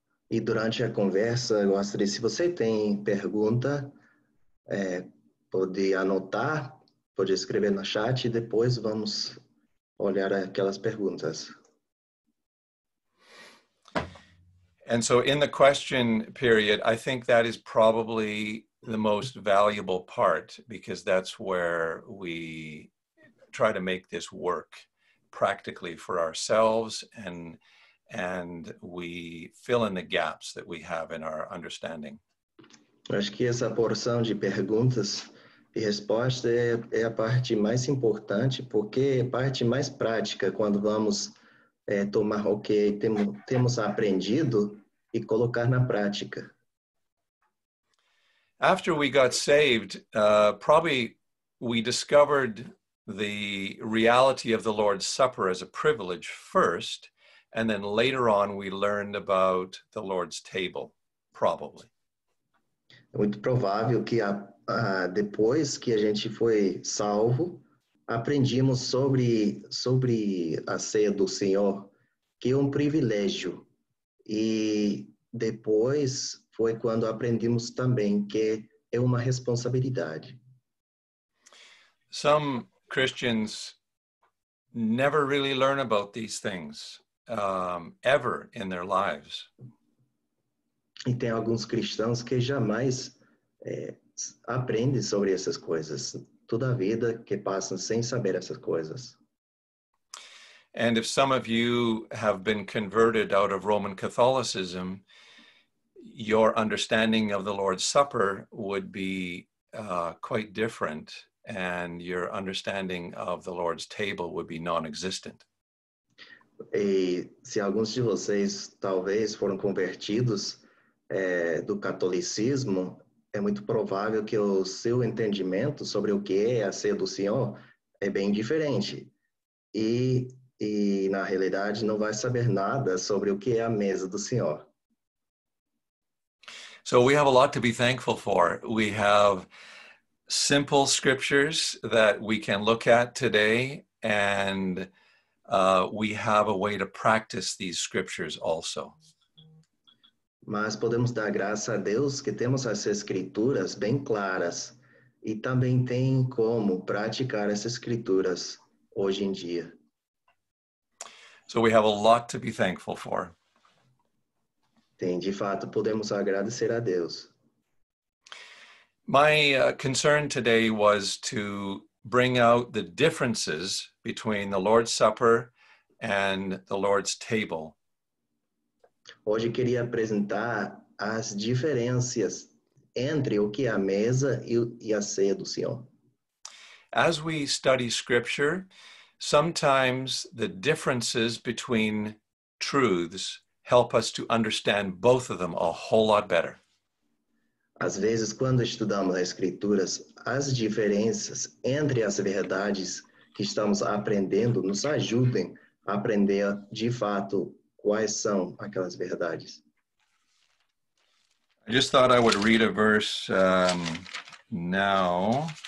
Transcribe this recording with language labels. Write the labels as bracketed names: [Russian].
[Portuguese] E durante a conversa, eu gostaria, se você tem pergunta, pode anotar, pode escrever no chat e depois vamos olhar aquelas perguntas. [English] And so in the question period, I think that is probably the most valuable part, because that's where we try to make this work practically for ourselves, and we fill in the gaps that we have in our understanding. [Portuguese] Acho que essa porção de perguntas e respostas é a parte mais importante, porque é a parte mais prática quando vamos tomar o que temos aprendido e colocar na prática. [English] After we got saved, probably we discovered the reality of the Lord's Supper as a privilege first, and then later on we learned about the Lord's table, probably. [Portuguese] É muito provável que depois que a gente foi salvo, aprendimos sobre a ceia do Senhor, que é um privilégio. E depois foi quando aprendemos também que é uma responsabilidade. [English] Some Christians never really learn about these things ever in their lives. [Portuguese] E tem alguns cristãos que jamais aprendem sobre essas coisas, toda a vida que passam sem saber essas coisas. [English] And if some of you have been converted out of Roman Catholicism, your understanding of the Lord's Supper would be quite different, and your understanding of the Lord's table would be non-existent. [Portuguese] E se alguns de vocês talvez foram convertidos do catolicismo, é muito provável que o seu entendimento sobre o que é a ceia do Senhor é bem diferente. E na realidade não vai saber nada sobre o que é a mesa do Senhor. [English] So we have a lot to be thankful for. We have simple scriptures that we can look at today, and we have a way to practice these scriptures also. [Portuguese] Mas podemos dar graça a Deus que temos as escrituras bem claras e também tem como praticar essas escrituras hoje em dia. [English] So we have a lot to be thankful for. [Portuguese] Tem, de fato, podemos agradecer a Deus. [English] My concern today was to bring out the differences between the Lord's Supper and the Lord's table. [Portuguese] Hoje eu queria apresentar as diferenças entre o que é a mesa e a ceia do Senhor. [English] As we study scripture, sometimes the differences between truths help us to understand both of them a whole lot better. [Portuguese] Às vezes, quando estudamos as escrituras, as diferenças entre as verdades que estamos aprendendo nos ajudem a aprender de fato quais são aquelas verdades. [English] I just thought I would read a verse now.